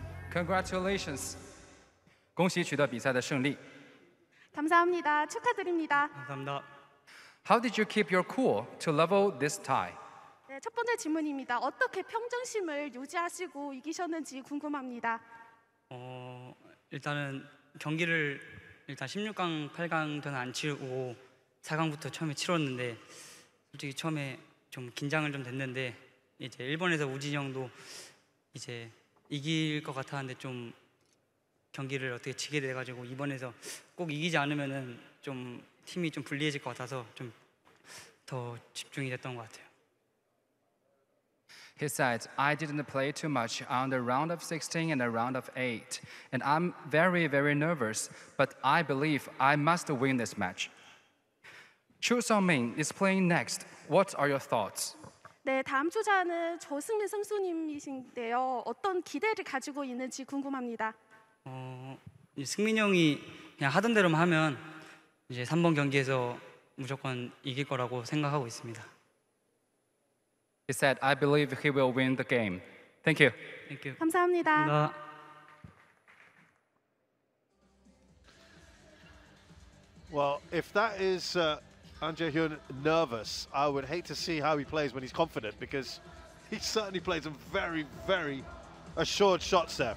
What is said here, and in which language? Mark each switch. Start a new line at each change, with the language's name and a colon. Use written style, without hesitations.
English: Congratulations.
Chinese: 恭喜取得比赛的胜利.
Korean: 감사합니다. 축하드립니다. 감사합니다.
English: How did you keep your cool to level this tie?
Korean: 네, 첫 번째 질문입니다. 어떻게 평정심을 유지하시고 이기셨는지 궁금합니다. 일단은 경기를 일단 16강, 8강도는 안 치르고 4강부터 처음에 치렀는데 솔직히 처음에 좀 긴장을 좀 됐는데 이제 일본에서 우진이 형도 이제 이길 것 같았는데 좀 경기를 어떻게 지게 돼가지고 이번에서 꼭 이기지 않으면은 좀 팀이 좀 불리해질 것 같아서 좀 더 집중이 됐던 것 같아요.
English: He said, I didn't play too much on the round of 16 and the round of 8, and I'm very, very nervous, but I believe I must win this match. Chu Seongmin is playing next. What are your thoughts?
Korean: 네, 다음 주자는 조승민 선수님이신데요. 어떤 기대를 가지고 있는지 궁금합니다. 승민 형이 그냥 하던 대로만 하면 이제 3번 경기에서 무조건 이길 거라고 생각하고 있습니다.
English: He said, I believe he will win the game. Thank you. Thank you.
Korean: 감사합니다. 감사합니다.
English: Well, if that is An Jae-hyun nervous, I would hate to see how he plays when he's confident, because he certainly plays some very, very assured shots there.